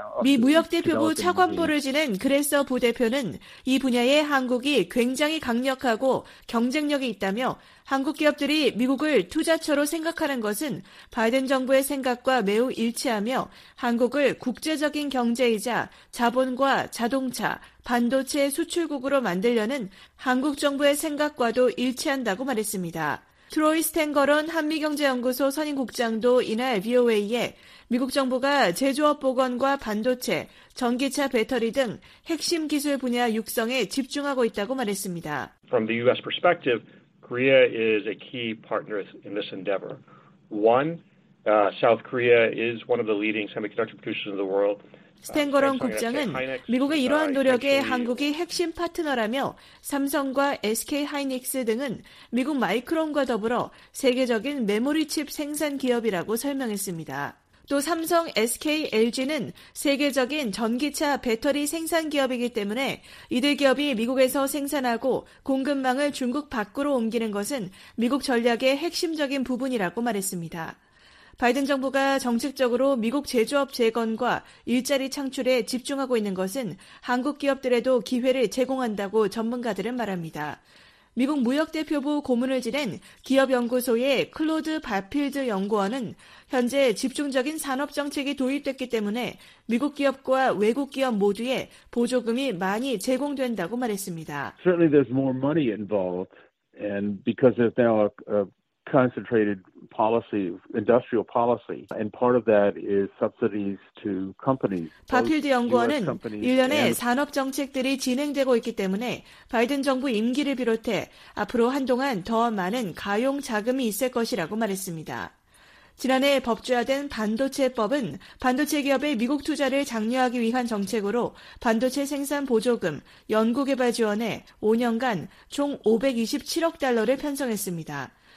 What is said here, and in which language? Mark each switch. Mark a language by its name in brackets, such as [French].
[Korean] 미 무역대표부 차관보를 지낸 그레서 부대표는 이 분야에 한국이 굉장히 강력하고 경쟁력이 있다며 한국 기업들이 미국을 투자처로 생각하는 것은 바이든 정부의 생각과 매우 일치하며 한국을 국제적인 경제이자 자본과 자동차, 반도체 수출국으로 만들려는 한국 정부의 생각과도 일치한다고 말했습니다. 트로이 스탱거런 한미경제연구소 선임국장도 이날 VOA에 미국 정부가 제조업 복원과 반도체, 전기차 배터리 등 핵심 기술 분야 육성에 집중하고 있다고 말했습니다. [English] From the U.S. perspective, Korea is a key partner in this endeavor. One, South Korea is one of the leading semiconductor producers in the world. [Korean] 스탱거런 국장은 미국의 이러한 노력에 한국이 핵심 파트너라며 삼성과 SK 하이닉스 등은 미국 마이크론과 더불어 세계적인 메모리 칩 생산 기업이라고 설명했습니다. 또 삼성, SK, LG는 세계적인 전기차 배터리 생산 기업이기 때문에 이들 기업이 미국에서 생산하고 공급망을 중국 밖으로 옮기는 것은 미국 전략의 핵심적인 부분이라고 말했습니다. 바이든 정부가 정책적으로 미국 제조업 재건과 일자리 창출에 집중하고 있는 것은 한국 기업들에도 기회를 제공한다고 전문가들은 말합니다. 미국 무역대표부 고문을 지낸 기업연구소의 클로드 바필드 연구원은 현재 집중적인 산업정책이 도입됐기 때문에 미국 기업과 외국 기업 모두에 보조금이 많이 제공된다고 말했습니다. [English] Certainly there's more money involved and because it's now a concentrated policy, industrial policy, and part of that is subsidies to companies. [Korean] 바필드 연구원은 일련의 산업 정책들이 진행되고 있기 때문에 바이든 정부 임기를 비롯해 앞으로 한동안 더 많은 가용 자금이 있을 것이라고 말했습니다. 지난해 법제화된 반도체법은 반도체 기업의 미국 투자를 장려하기 위한 정책으로 반도체 생산 보조금, 연구개발 지원에 5년간 총 527억 달러를 편성했습니다.